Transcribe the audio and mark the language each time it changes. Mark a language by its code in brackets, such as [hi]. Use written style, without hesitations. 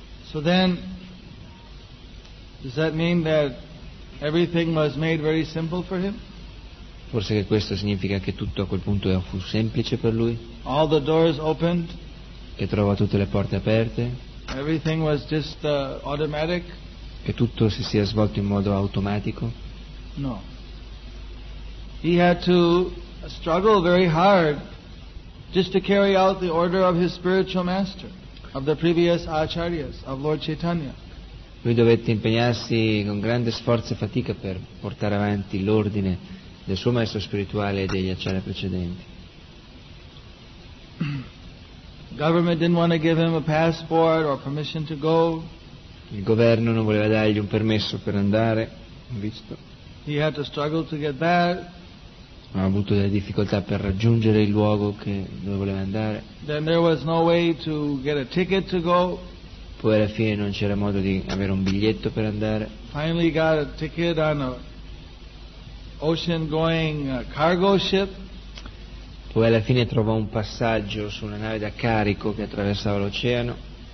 [en] So then, does that mean that everything was made very simple for him? [it] Forse che questo significa che tutto a quel punto fu semplice per lui. [en] All the doors opened. [it] Che trovò tutte le porte aperte. [en] Everything was just automatic. [it] Che tutto si sia svolto in modo automatico. [en] No. He had to struggle very hard just to carry out the order of his spiritual master, of the previous acharyas, of Lord Chaitanya. [it] Lui dovette impegnarsi con grande sforzo e fatica per portare avanti l'ordine del suo maestro spirituale e degli acciari precedenti. [en] Government didn't want to give him a passport or permission to go. [it] Il governo non voleva dargli un permesso per andare, visto. [en] He had to struggle to get back. [it] Ha avuto delle difficoltà per raggiungere il luogo che dove voleva andare. [en] Then there was no way to get a ticket to go. [it] Poi alla fine non c'era modo di avere un biglietto per andare. [en] Finally got a ticket on a ocean-going cargo ship. [it] Poi alla fine trovò un passaggio su una nave da carico che attraversava l'oceano.